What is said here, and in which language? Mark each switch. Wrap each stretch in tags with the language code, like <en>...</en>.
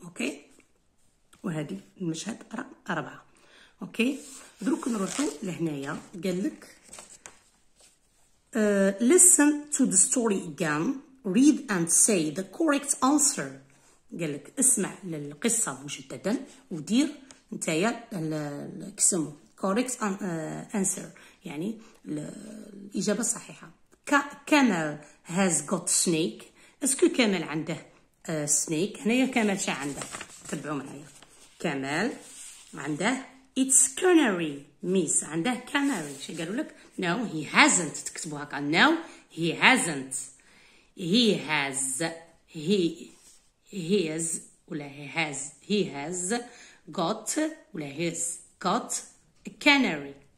<ar>اوكي وهذه المشهد رقم 4. اوكي دروك نروحوا لهنايا. قال لك</ar> <en>listen to the story again, read and say the correct answer.</en> <ar>قال لك اسمع للقصة مجددا ودير نتايا الكسم</ar> <en>correct answer</en> <ar>يعني الإجابة الصحيحة.</ar> <en>كامل has got snake.</en> <ar>اسكو كامل عنده snake؟ هنايا كامل شا عنده؟ تبعوا معايا. كامل عنده</ar> <en>it's canary miss، عنده canary.</en> <ar>شا قالوا لك</ar> <en>no he hasn't،</en> <ar>تكتبوا هكا</ar> <en>no he hasn't، he has he has ولا he has got ولا he's got a canary.</en>